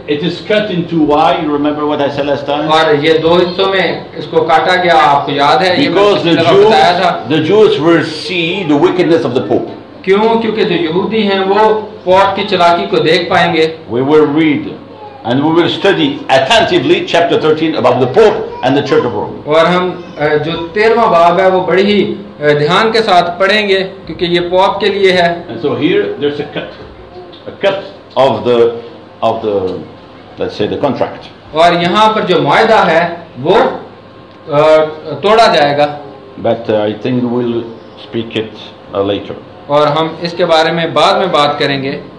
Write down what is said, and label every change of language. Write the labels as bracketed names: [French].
[English] It is cut into why you remember what I said last time. [Hindi] और ये दो हिस्सों में इसको काटा गया आपको याद है. [English] Because the Jews, the Jews will see the wickedness of the Pope. [Hindi] क्यों? क्योंकि जो यहूदी हैं वो पोप की चलाकी को देख पाएंगे. [English] We will read and we will study attentively chapter 13 about the Pope and the Church of Rome. [Hindi] और हम जो 13वां बाब है वो बड़ी ही ध्यान के साथ पढ़ेंगे क्योंकि ये पोप के लिए है. [English] And so here there's a cut of the let's say the contract. [Hindi] और यहाँ पर जो मुआहदा है वो तोड़ा जाएगा. [English] But I think we'll speak it later. [Hindi] और हम इसके बारे में बाद में बात करेंगे.